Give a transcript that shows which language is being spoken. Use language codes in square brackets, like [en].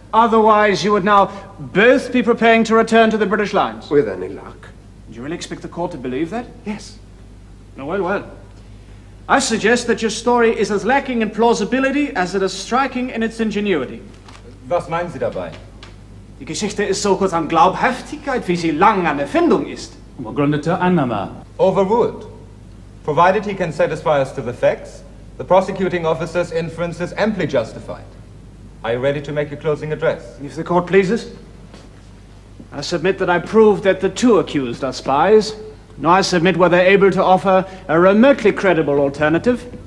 [en] Otherwise, you would now both be preparing to return to the British lines. With any luck. Do you really expect the court to believe that? Yes. Well. I suggest that your story is as lacking in plausibility as it is striking in its ingenuity. [de] Was meinen Sie dabei? Die Geschichte ist so kurz an Glaubhaftigkeit, wie sie lang an Erfindung ist. Begründete Annahme. [en] Overruled. Provided he can satisfy us to the facts, the prosecuting officer's inference is amply justified. Are you ready to make your closing address? If the court pleases. I submit that I proved that the two accused are spies. Now I submit whether able to offer a remotely credible alternative.